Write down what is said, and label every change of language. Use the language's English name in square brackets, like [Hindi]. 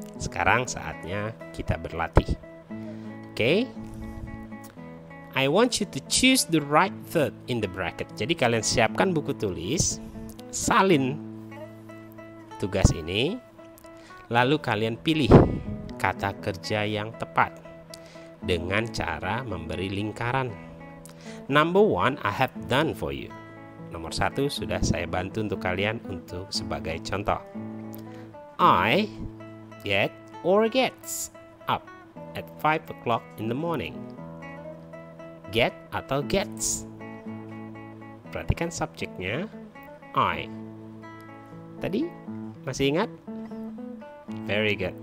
[Indonesian] Sekarang saatnya kita berlatih. [English] Okay? I want you to choose the right verb in the bracket. [Indonesian] Jadi kalian siapkan buku tulis, salin tugas ini, lalu kalian pilih kata kerja yang tepat dengan cara memberi lingkaran. [English] Number one, I have done for you. [Indonesian] Nomor satu, sudah saya bantu untuk kalian untuk sebagai contoh. [English] I get or gets up at 5 o'clock in the morning. [Indonesian] Get atau gets. Perhatikan subjeknya, I. Tadi, masih ingat? [English] Very good.